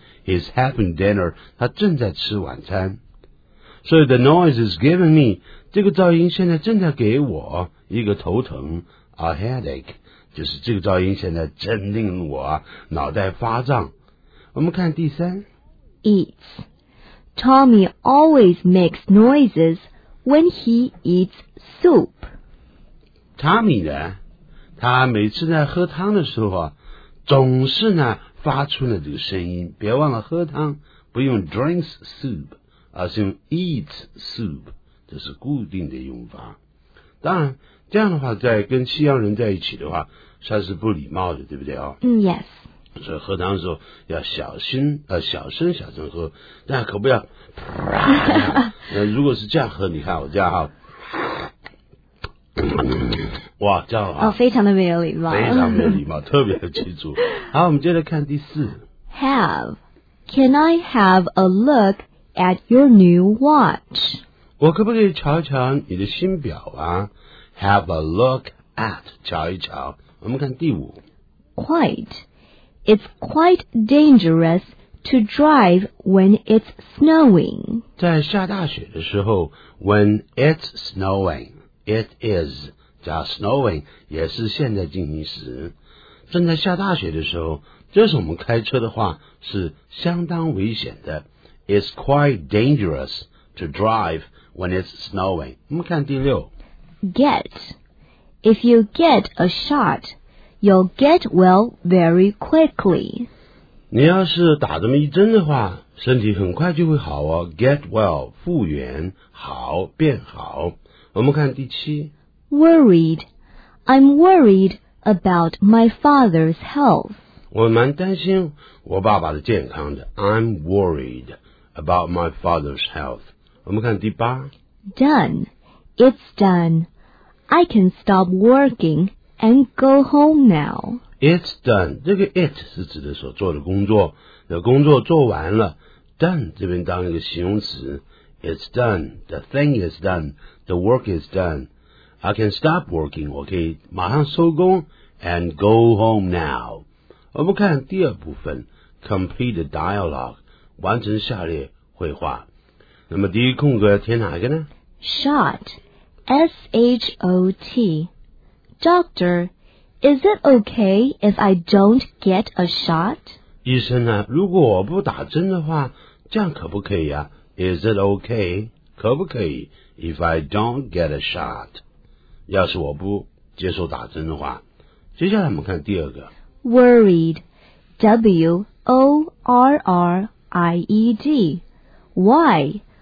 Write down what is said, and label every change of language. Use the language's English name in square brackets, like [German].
[English] He is having dinner, [Chinese] 他正在吃晚餐。 [English] So the noise is giving me, [Chinese] 这个噪音现在正在给我一个头疼 , [English] a headache. [Chinese] 就是这个噪音现在真令我脑袋发胀。我们看第三。 [English] Eats. Tommy always makes noises when he eats soup. [Chinese] Tommy 呢，他每次在喝汤的时候啊，总是呢发出了这个声音。别忘了喝汤不用 [English] drinks soup, [Chinese] 而是用 [English] eats soup, [Chinese] 这是固定的用法。当然这样的话在跟西洋人在一起的话算是不礼貌的，对不对啊？ [English] Yes. [Chinese] 所以喝汤的时候要小心小声小声喝，那可不要那如果是这样喝，你看我这样哈哇，这样啊，哦，非常的没有礼貌，非常没有礼貌，特别的记住。好，我们接着看第四。 [English] Have, can I have a look at your new watch? [Chinese] 我可不可以瞧一瞧你的新表啊？ [English] Have a look at, [Chinese] 瞧一瞧。我们看第五。 [English] Quite, it's quite dangerous to drive when it's snowing. [Chinese] 在下大雪的时候 , [English] when it's snowing,It is, [Chinese] 加 snowing, 也是现在进行时。正在下大雪的时候，这是我们开车的话，是相当危险的。 [English] It's quite dangerous to drive when it's snowing. [Chinese] 我们看第六。 [English] Get. If you get a shot, you'll get well very quickly. [Chinese] 你要是打这么一针的话，身体很快就会好哦。 Get well, 复原，好，变好。我们看第七。 [English] Worried. I'm worried about my father's health. [Chinese] 我蛮担心我爸爸的健康的。 [English] I'm worried about my father's health. [Chinese] 我们看第八。 [English] Done. It's done. I can stop working and go home now. It's done. [Chinese] 这个 it 是指的所做的工作。的工作做完了。Done 这边当一个形容词。 [English] It's done. The thing is done. The work is done. I can stop working. [Chinese] 我可以马上收工 [English] and go home now. [Chinese] 我们看第二部分 [English] complete the dialogue. [Chinese] 完成下列绘画。那么第一空格要填哪个呢？ [English] Shot. S-H-O-T. Doctor, is it okay if I don't get a shot? [Chinese] 医生啊，如果我不打针的话，这样可不可以啊？ [English] Is it okay? [Chinese] 可不可以 [English] if I don't get a shot? [Chinese] 要是我不接受打针的话。接下来我们看第二个。 [English] Worried. W-O-R-R-I-E-D. Why?